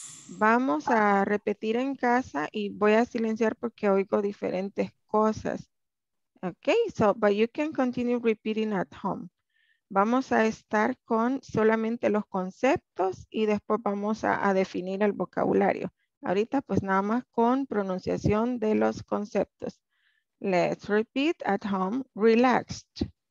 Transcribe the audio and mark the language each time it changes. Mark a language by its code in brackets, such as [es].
[es] Vamos a repetir en casa y voy a silenciar porque oigo diferentes cosas. [en] Okay, so, but you can continue repeating at home. [es] Vamos a estar con solamente los conceptos y después vamos a definir el vocabulario. Ahorita pues nada más con pronunciación de los conceptos. [en] Let's repeat at home. Relaxed.